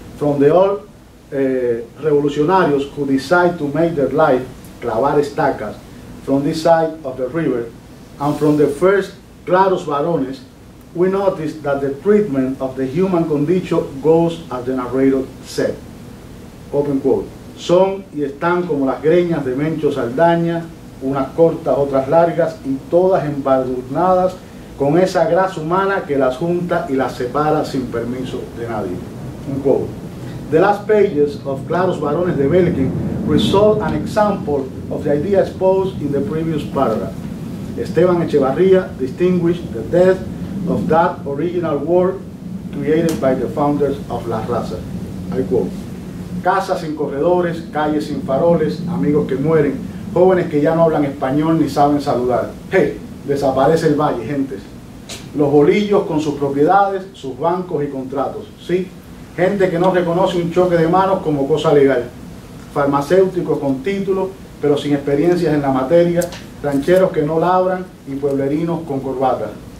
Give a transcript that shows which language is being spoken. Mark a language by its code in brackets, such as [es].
[en] From the old revolucionarios who decide to make their life [es] clavar estacas [en] from this side of the river, and from the first claros varones, we notice that the treatment of the human condition goes as the narrator said. Open quote. [es] Son y están como las greñas de Mencho Saldaña, unas cortas, otras largas, y todas embadurnadas con esa grasa humana que las junta y las separa sin permiso de nadie. [en] Un quote. The last pages of Claros Varones de Belkin result an example of the idea exposed in the previous paragraph. Esteban Echevarría distinguished the death of that original world created by the founders of La Raza. I quote. [es] Casas sin corredores, calles sin faroles, amigos que mueren, jóvenes que ya no hablan español ni saben saludar. ¡Hey! Desaparece el valle, gentes. Los bolillos con sus propiedades, sus bancos y contratos, ¿sí? Gente que no reconoce un choque de manos como cosa legal. Farmacéuticos con título, pero sin experiencias en la materia, rancheros que no labran y pueblerinos con corbata.